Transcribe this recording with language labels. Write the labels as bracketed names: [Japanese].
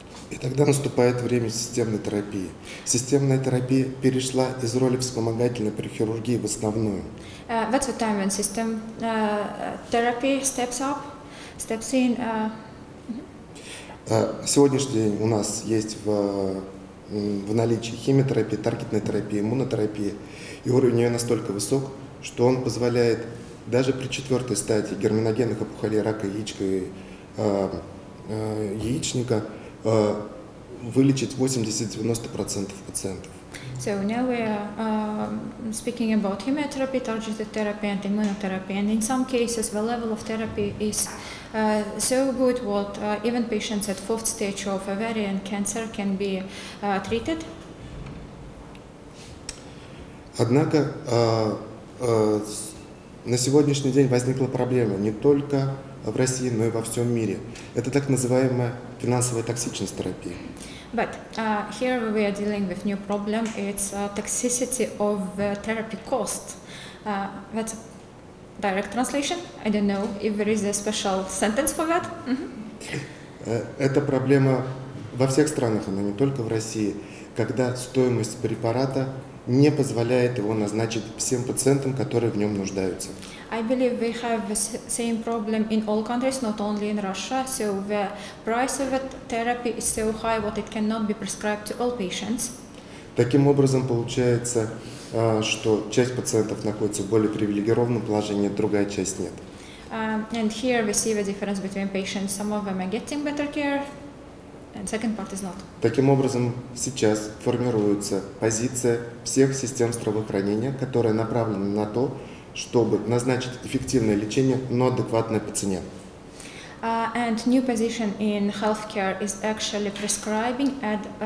[Russian] И тогда наступает время системной терапии. Системная терапия перешла из роли вспомогательной при хирургии в основную. [English] That's the time when system therapy steps in. [Russian] Сегодняшний день у нас есть в наличии химиотерапия, таргетная терапия, иммунотерапия, и уровень ее настолько высок, что он позволяет даже при четвертой стадии герминогенных опухолей рака яичка и яичника вылечить 80-90% пациентов. [English] So now we are speaking about chemotherapy, targeted therapy and immunotherapy, and in some cases the level of therapy is so good that even patients at fourth stage of ovarian cancer can be treated. [Russian] Однако на сегодняшний день возникла проблема не только в России, но и во всем мире. Это так называемая финансовая токсичность терапии. [English] But here we are dealing with new problem. It's toxicity of the therapy cost. That's a direct translation. I don't know if there is a special sentence for that. [Russian] Это проблема во всех странах, но не только в России, когда стоимость препарата не позволяет его назначить всем пациентам, которые в нем нуждаются. [English] I believe we have the same problem in all countries, not only in Russia. So the price of the therapy is so high, what it cannot be prescribed to all patients. [Russian] Таким образом, получается, что часть пациентов находится в более привилегированном положении, другая часть нет. [English] And here we see the difference between patients. Some of them are getting better care, and second part is not. [Russian] Таким образом, сейчас формируется позиция всех систем здравоохранения, которая направлена на то, чтобы назначить эффективное лечение, но адекватное по цене. [English] And new position in healthcare is actually prescribing and